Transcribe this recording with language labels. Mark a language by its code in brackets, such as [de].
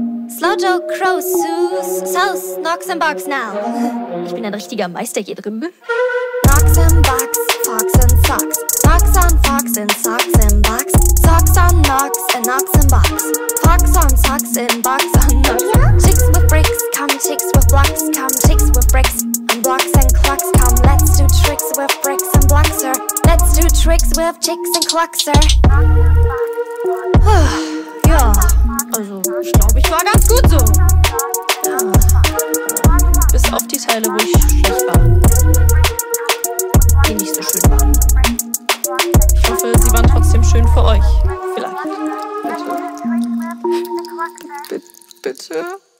[en] Slow Joe Crow sues sews Knox and Box now. [de] Ich bin ein richtiger Meister hier drin. [en] Knox and Box, Fox and Socks. Knox on Fox and Socks and Box. Socks on Knox and Knox and Box. Fox on Socks and Box on Knox. Chicks with bricks, come chicks with blocks. Come chicks with bricks and blocks and clocks. Come, let's do tricks with bricks and blocks, sir. Let's do tricks with chicks and clocks, sir. [de] Ja, also ich glaube, ich war ganz gut so. Ja. Bis auf die Teile, wo ich schlecht war. Die nicht so schön waren. Ich hoffe, sie waren trotzdem schön für euch. Vielleicht. Bitte.